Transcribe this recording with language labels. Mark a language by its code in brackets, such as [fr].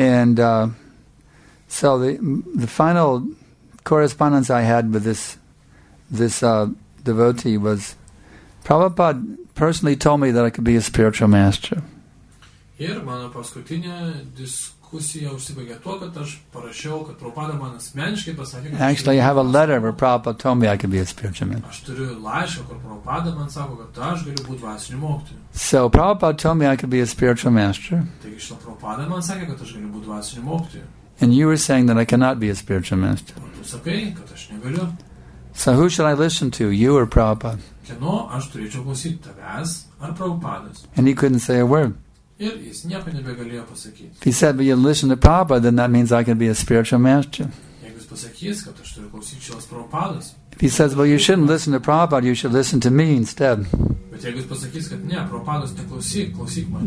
[en] And so the final correspondence I had with this devotee was, Prabhupada personally told me that I could be a spiritual master. [lt] Ir mano paskutinė diskusija užsibaigė tuo, kad aš parašiau, kad Prabhupada man asmeniškai pasakė, kad [en] actually, I have a letter where Prabhupada told me I could be a spiritual man. [lt] Aš turiu laišką, kur Prabhupada man sako, kad aš galiu būti dvasiniu mokytoju. [en] So Prabhupada told me I could be a spiritual master. [lt] Taigi, šito Prabhupada man sakė, kad aš galiu būti dvasiniu mokytoju. [en] And you were saying that I cannot be a spiritual master. [lt] Tu sakai, kad aš negaliu. [en] So who should I listen to, you or Prabhupada? [lt] Kieno aš turėčiau klausyti, tavęs ar Prabhupadas? [en] And he couldn't say a word. [lt] Ir jis nieko nebegalėjo pasakyti. [en] He said, but you listen to Prabhupada, then that means I can be a spiritual master. [lt] Jeigu jis pasakys, kad aš turiu klausyti šios Prabhupadas. [en] He says, well, you shouldn't listen to Prabhupada, you should listen to me instead. [lt] Bet jeigu jis pasakys, kad ne, Prabhupadas neklausyk, klausyk mane.